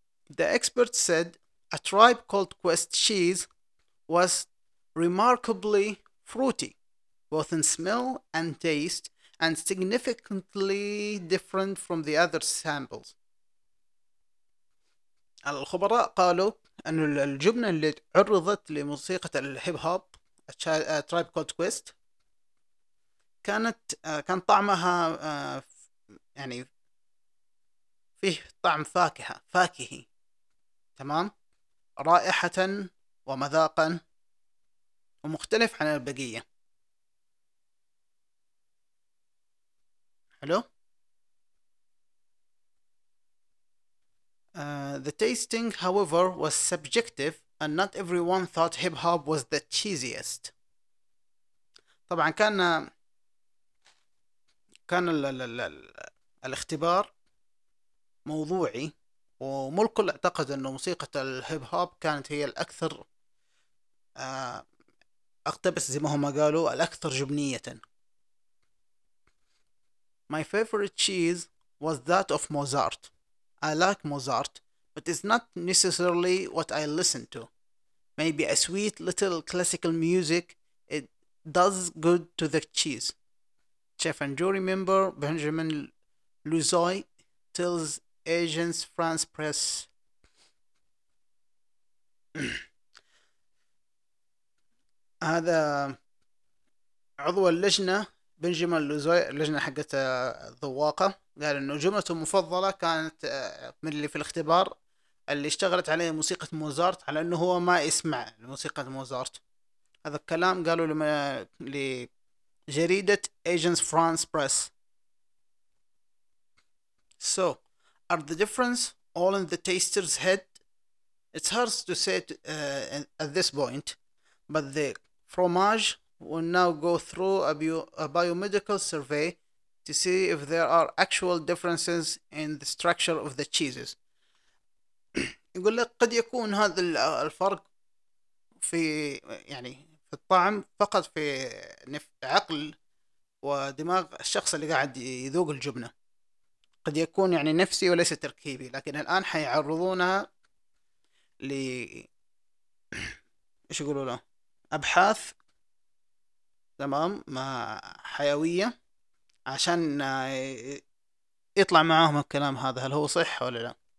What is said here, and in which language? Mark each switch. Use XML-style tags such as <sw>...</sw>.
<en>The expert said A Tribe Called Quest cheese was remarkably fruity, both in smell and taste, and significantly different from the other samples.</en> <ar>الخبراء قالوا أن الجبنة اللي عرضت لموسيقى الهيب هوب A Tribe Called Quest كان طعمها يعني فيه طعم فاكهي, تمام, رائحة ومذاقا, ومختلف عن البقية.</ar> <en>Hello? The tasting, however, was subjective, and not everyone thought hip hop was the cheesiest.</en> <ar>طبعا كان الاختبار موضوعي، ومو الكل اعتقد أن موسيقى الهيب هوب كانت هي الأكثر اقتبس زي ما هم قالوا الأكثر جبنية.</ar> <en>My favorite cheese was that of Mozart. I like Mozart, but it's not necessarily what I listen to. Maybe a sweet little classical music, it does good to the cheese. Chef and jury member Benjamin Luzoy tells Agence France Presse.</en> <ar>هذا عضو اللجنة بنجامين لوزوي، اللجنة حقت الذواقة، قال إنه جملته المفضلة كانت من اللي في الاختبار اللي اشتغلت عليه موسيقى موزارت على إنه هو ما يسمع موسيقى موزارت. هذا الكلام قاله لجريدة إيجنس فرانس بريس.</ar> <en>So, are the difference all in the taster's head? It's hard to say at this point, but the fromage will now go through a biomedical survey to see if there are actual differences in the structure of the cheeses.</en> <ar>يقول لك قد يكون هذا الفرق في يعني في الطعم فقط في عقل ودماغ الشخص اللي قاعد يذوق الجبنة، قد يكون يعني نفسي وليس تركيبي، لكن الآن حيعرضونها ل إيش يقولوا له أبحاث تمام ما حيوية عشان يطلع معاهم الكلام هذا هل هو صح ولا لا.</ar>